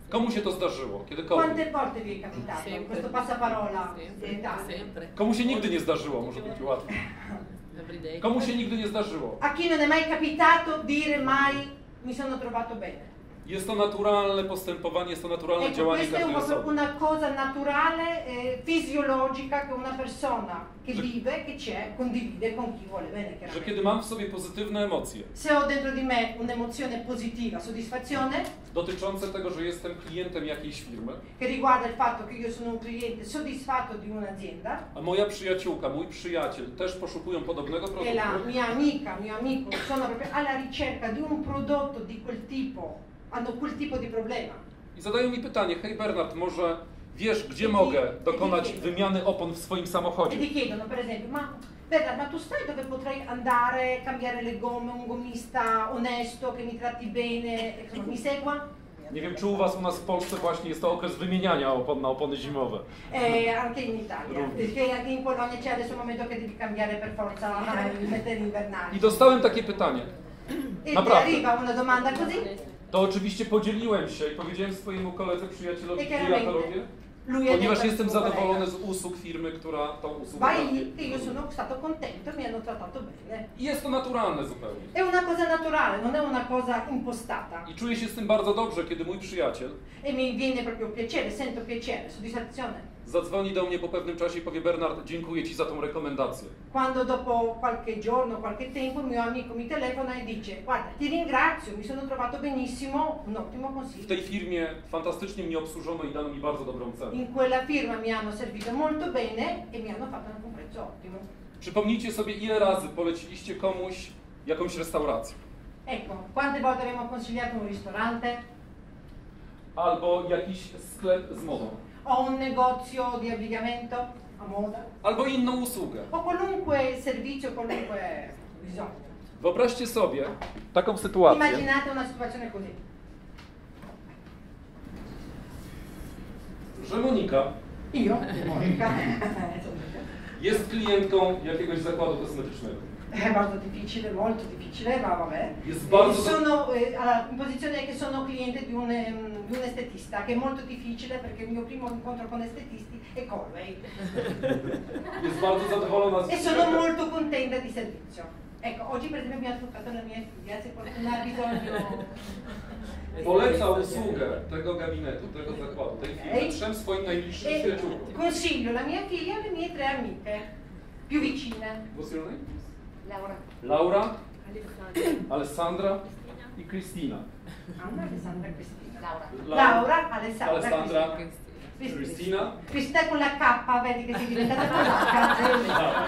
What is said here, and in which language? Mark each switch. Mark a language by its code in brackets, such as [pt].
[pl] Komu się to zdarzyło? Kiedy? [it] Quante volte vi è capitato? Questo passaparola. Sempre. [pl] Komu się nigdy nie zdarzyło, może być łatwo. Komu się nigdy nie zdarzyło? [it] A chi non è mai capitato dire mai mi sono trovato bene. [pl] Jest to naturalne postępowanie, jest to naturalne działanie każdej osoby. [it] Questa è una cosa naturale, fisiologica che una persona che vive, che c'è, condivide con chi vuole bene. [pl] Że kiedy mam w sobie pozytywne emocje. [it] Se ho dentro di me un'emozione positiva, soddisfazione. [pl] Dotyczące tego, że jestem klientem jakiejś firmy. [it] Che riguarda il fatto che io sono un cliente soddisfatto di un'azienda. [pl] A moja przyjaciółka, mój przyjaciel też poszukują podobnego prodotu. [it] E la mia amica, mio amico sono proprio alla ricerca di un prodotto di quel tipo. Hanno quel tipo di problema. [pl] I zadają mi pytanie, hej Bernard, może wiesz, gdzie mogę dokonać wymiany opon w swoim samochodzie? [it] E ti chiedono, per esempio, ma Bernard, ma tu sai dove potrei andare a cambiare le gomme, un gommista onesto che mi tratti bene, che mi segua? [pl] Nie wiem, czy u was, u nas w Polsce właśnie jest to okres wymieniania opon na opony zimowe. [it] Anche in Italia. Anche in Polonia c'è adesso momento che devi cambiare per forza i metteri invernali. [pl] I dostałem takie pytanie. Naprawdę. [it] I ti arriva una domanda così? [pl] To oczywiście podzieliłem się i powiedziałem swojemu koledze, przyjacielowi, że ja to robię. Ponieważ jestem zadowolony z usług firmy, która tą usługę daje. [it] Vai, che io sono stato contento, mi hanno trattato bene. [pl] I jest to naturalne zupełnie. [it] È una cosa naturale, non è una cosa impostata. [pl] I czuję się z tym bardzo dobrze, kiedy mój przyjaciel... [it] E mi viene proprio piacere, sento piacere, soddisfazione. [pl] Zadzwoni do mnie po pewnym czasie i powie: Bernard, dziękuję ci za tą rekomendację. [it] Quando dopo qualche giorno, qualche tempo, mio amico mi telefona e dice: guarda, ti ringrazio, mi sono trovato benissimo, un ottimo consiglio. [pl] W tej firmie fantastycznie mnie obsłużono i dano mi bardzo dobrą cenę. [it] In quella firma mi hanno servito molto bene e mi hanno fatto un prezzo ottimo. [pl] Przypomnijcie sobie, ile razy poleciliście komuś jakąś restaurację. [it] Ecco, quante volte abbiamo consigliato un ristorante? [pl] Albo jakiś sklep z modą. [it] O un negozio di abbigliamento a moda. [pl] Albo inną usługę. [it] O qualunque servizio, qualunque bisogno. [pl] Wyobraźcie sobie taką sytuację. [it] Immaginate una situazione così. [pl] Że Monika. [it] Io? [pl] Monika. Jest klientką jakiegoś zakładu kosmetycznego. [it] È molto difficile, molto difficile, ma vabbè. [pl] Jest bardzo... [it] Sono in posizione che sono cliente di un estetista, che è molto difficile perché il mio primo incontro con estetisti è Colway. [pl] Jest bardzo zadowolona [it] e sono molto contenta di servizio. Ecco, oggi per esempio mi ha truccato la mia figlia, se qualcuno ha bisogno... [pl] Poleca usługę tego gabinetu, tego zakładu, tej firmy, okay. Trzem swoim najbliższym przyjaciółom. [it] Consiglio la mia figlia e le mie tre amiche, più vicine. Posizione? Laura, [pl] Alessandra i Cristina. [it] Anna, Alessandra e Cristina. Laura, Alessandra e Cristina. Cristina con la K, vedi che si è diventata polacca.